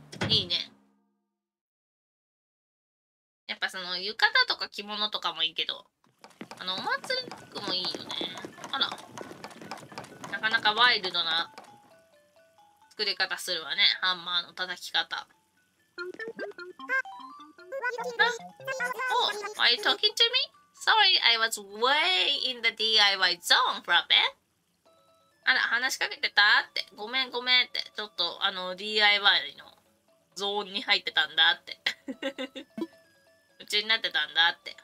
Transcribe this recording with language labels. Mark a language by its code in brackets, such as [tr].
[ja] いいね。やっぱその浴衣とか着物とかもいいけど、あのお祭り服もいいよね。あら、なかなかワイルドな作り方するわね、ハンマーの叩き方。 [en] Oh, are you talking to me? Sorry, I was way in the DIY zone, Frappe. [ja] あら、話しかけてたって。ごめんごめんって。ちょっと、DIY のゾーンに入ってたんだって。夢中になってたんだって。